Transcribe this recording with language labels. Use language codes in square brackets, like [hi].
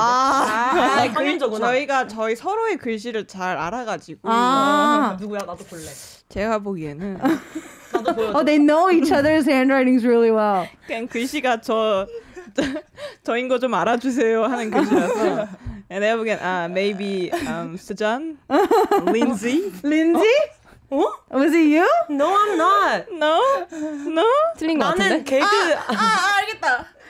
[ko] 확률적으로 저희가 저희 서로의 글씨를 잘 알아가지고. 아. 누구야? 나도 볼래. 제가 보기에는. 나도 보여. [en] Oh, they know each other's handwritings really well. [ko] 그냥 글씨가 저 저인 거 좀 알아주세요 하는 글씨라서. [en] And they have again, maybe Sejeon, Lindsay. Lindsay? [ko] 어? [en] Oh? Was it you? No, I'm not. No? No? [ko] 틀린 것 같은데? 나는 개그... 아, 알겠다.